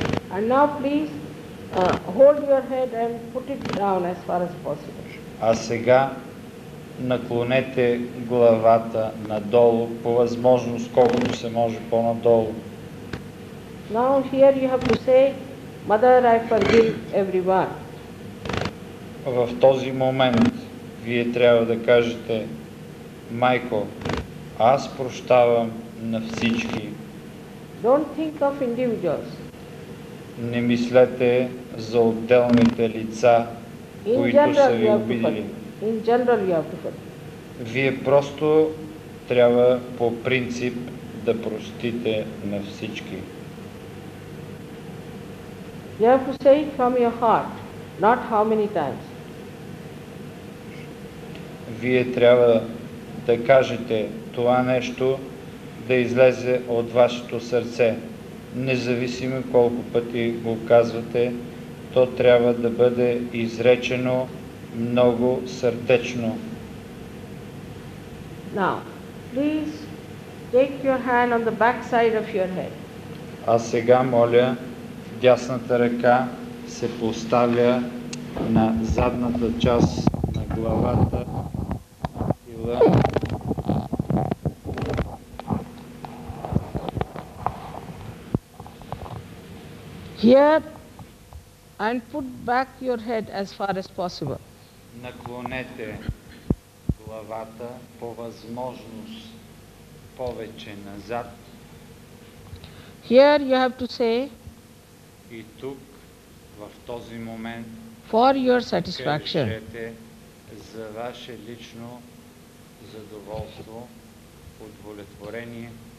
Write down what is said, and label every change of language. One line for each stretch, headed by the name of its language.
English: And now please hold your head and put it down as far as possible.
Bulgarian: А сега наклонете главата надолу по възможност колкото се може по-надолу.
English: Now here you have to say, Mother, I forgive everyone.
Bulgarian: В този момент вие трябва да кажете: Майко, аз прощавам на всички.
English: Don't think of individuals.
Bulgarian: Не мислете за отделните лица, които са ви обидели.
English: In general you have to forgive.
Bulgarian: Вие просто трябва по принцип да простите на всички.
English: You have to say it from your heart, not how many times.
Bulgarian: Вие трябва да кажете това нещо да излезе от вашето сърце. Независимо колко пъти го казвате, то трябва да бъде изречено много сърдечно.
English: Now, please take your hand on the back side of your head.
Bulgarian: А сега моля, дясната ръка се поставя на задната част на главата.
English: Here and put back your head as far as possible.
Bulgarian: Наклонете главата по възможност повече назад.
English: Here you have to say
Bulgarian: и тук в този момент
English: for your satisfaction.
Bulgarian: Кажете за ваше лично задоволство, удовлетворение.